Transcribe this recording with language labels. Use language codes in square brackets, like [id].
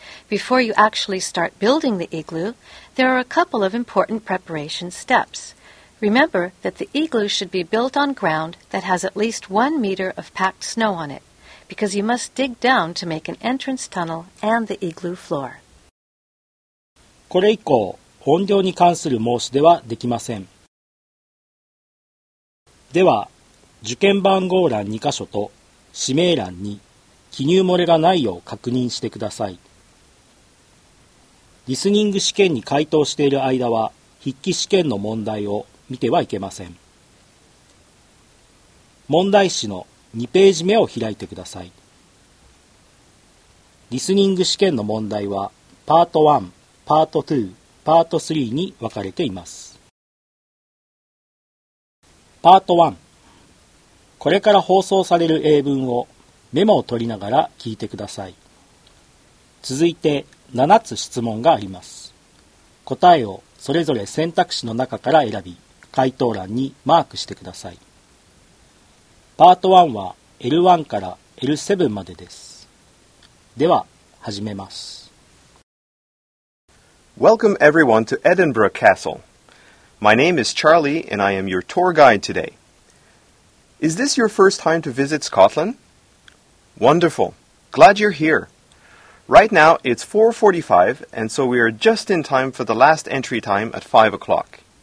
[en] Before you actually start building the igloo, there are a couple of important preparation steps. Remember that the igloo should be built on ground that has at least 1 meter of packed snow on it, because you must dig down to make an entrance tunnel and the igloo floor. [ja] これ以降、音量に関する申し出はできません。では、受験番号欄2箇所と、氏名欄に記入漏れがないよう確認してください。リスニング試験に回答している間は、筆記試験の問題を見てはいけません。問題紙の2ページ目を開いてください。リスニング試験の問題は、パート1。パート2、パート3に分かれています。パート1。これから放送される英文をメモを取りながら聞いてください。続いて7つ質問があります。答えをそれぞれ選択肢の中から選び、回答欄にマークしてください。パート1は L1 から L7 までです。では、始めます。 [en] Welcome everyone to Edinburgh Castle. My name is Charlie and I am your tour guide today. Is this your first time to visit Scotland? Wonderful. Glad you're here. Right now it's 4:45 and so we are just in time for the last entry time at 5 o'clock.